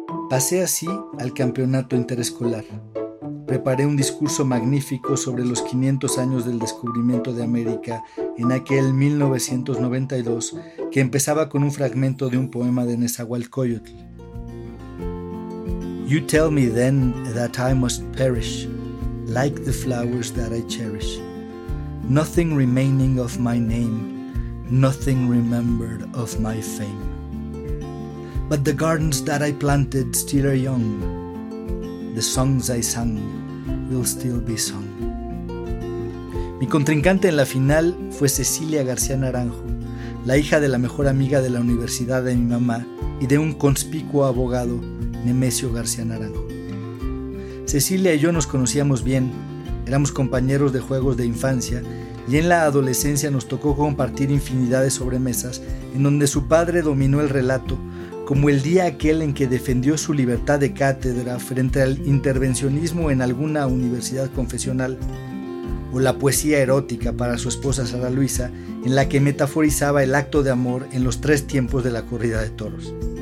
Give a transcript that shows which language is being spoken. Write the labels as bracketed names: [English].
[Spanish] Pasé así al campeonato interescolar. Preparé un discurso magnífico sobre los 500 años del descubrimiento de América en aquel 1992, que empezaba con un fragmento de un poema de Nezahualcóyotl. [English] You tell me then that I must perish, like the flowers that I cherish. Nothing remaining of my name, nothing remembered of my fame. But the gardens that I planted still are young. The songs I sang will still be sung. [Spanish] Mi contrincante en la final fue Cecilia García Naranjo, la hija de la mejor amiga de la universidad de mi mamá y de un conspicuo abogado, Nemesio García Naranjo. Cecilia y yo nos conocíamos bien, éramos compañeros de juegos de infancia y en la adolescencia nos tocó compartir infinidad de sobremesas en donde su padre dominó el relato, como el día aquel en que defendió su libertad de cátedra frente al intervencionismo en alguna universidad confesional, o la poesía erótica para su esposa Sara Luisa, en la que metaforizaba el acto de amor en los tres tiempos de la corrida de toros.